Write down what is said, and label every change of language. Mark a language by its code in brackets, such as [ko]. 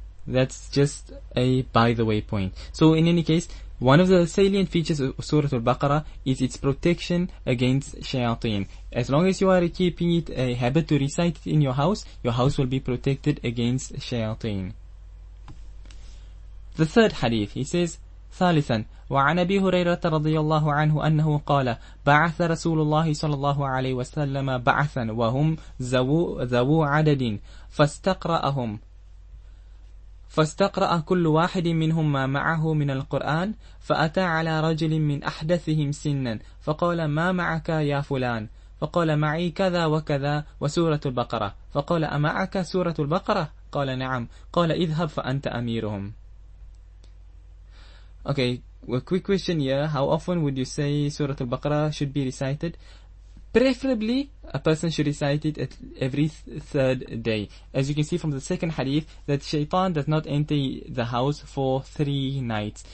[en] That's just a by the way point. So in any case, one of the salient features of Surah Al-Baqarah is its protection against shayateen. As long as you are keeping it a habit to recite it in your house will be protected against shayateen. The third hadith, he says, [ar] ثالثا وعن أبي هريرة رضي الله عنه أنه قال بعث رسول الله صلى الله عليه وسلم بعثا وهم ذو عدد فاستقرأهم فاستقرأ كل واحد منهم ما معه من القرآن فأتى على رجل من أحدثهم سنا فقال ما معك يا فلان فقال معي كذا وكذا وسورة البقرة فقال أمعك سورة البقرة قال نعم قال اذهب فأنت أميرهم. [en] Okay, a quick question here. How often would you say Surah Al-Baqarah should be recited? Preferably, a person should recite it at every third day. As you can see from the second hadith, that shaitan does not enter the house for 3 nights.